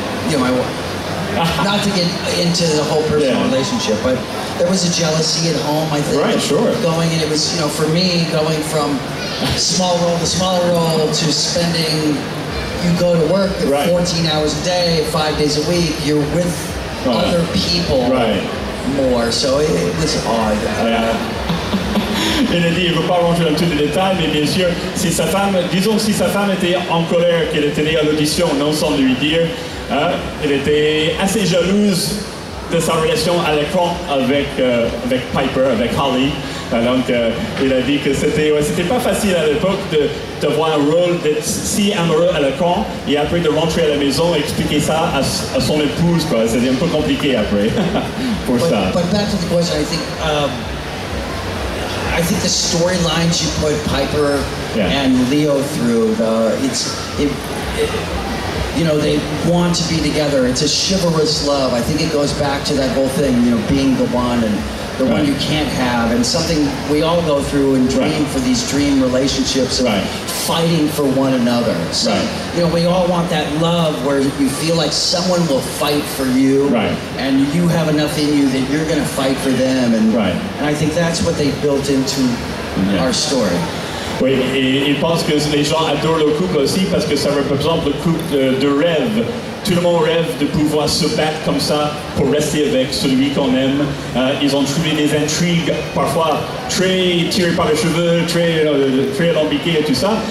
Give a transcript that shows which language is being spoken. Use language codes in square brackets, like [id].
[en] Not to get into the whole personal relationship, but there was a jealousy at home, I think. Right, sure. Going, and it was, for me, going from small role to spending, you go to work 14 hours a day, 5 days a week, you're with other people more. So it was odd. [fr] Il a dit, il ne veut pas rentrer dans tous les détails, mais bien sûr, si sa femme, disons si sa femme était en colère qu'elle était née à l'audition, non sans lui dire, elle était assez jalouse de sa relation à l'écran avec Piper, avec Holly. Donc, il a dit que c'était pas facile à l'époque d'avoir un rôle, d'être si amoureux à l'écran, et après de rentrer à la maison et expliquer ça à son épouse, quoi. C'était un peu compliqué après, pour ça. [en] But back to the question, I think the storylines you put Piper and Leo through, they want to be together. It's a chivalrous love. I think it goes back to that whole thing, being the one and the one you can't have, and something we all go through and dream for these dream relationships of fighting for one another. So, we all want that love where you feel like someone will fight for you, and you have enough in you that you're going to fight for them. And, and I think that's what they built into our story. [fr] Oui, et il pense que les gens adorent le couple aussi parce que ça représente le couple de rêve. Tout le monde rêve de pouvoir se battre comme ça pour rester avec celui qu'on aime. Ils ont trouvé des intrigues parfois très tirées par les cheveux, très alambiquées et tout ça.